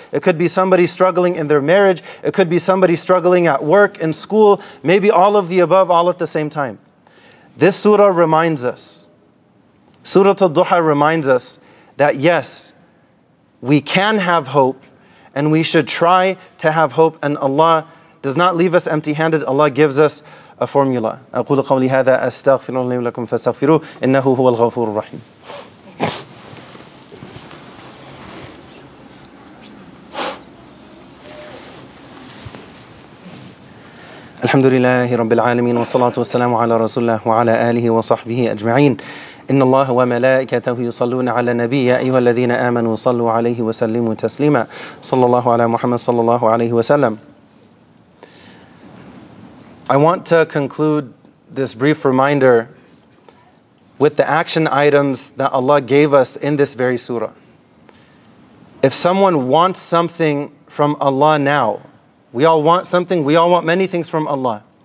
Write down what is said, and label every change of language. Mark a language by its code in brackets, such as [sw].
[en] It could be somebody struggling in their marriage. It could be somebody struggling at work, in school, maybe all of the above, all at the same time. This surah reminds us, Surah Al-Duha reminds us that yes, we can have hope and we should try to have hope, and Allah does not leave us empty-handed. Allah gives us a formula. [ar] أقول قولي هذا أستغفر الله لكم فاستغفروا إنه هو الغفور الرحيم. الحمد لله رب العالمين والصلاة والسلام على رسول الله وعلى آله وصحبه أجمعين. إن الله وملائكته يصلون على النبي يا أيها الذين آمنوا صلوا عليه وسلموا تسليما. صلى الله على محمد صلى الله عليه وسلم. [en] I want to conclude this brief reminder with the action items that Allah gave us in this very surah. If someone wants something from Allah now, we all want something, we all want many things from Allah.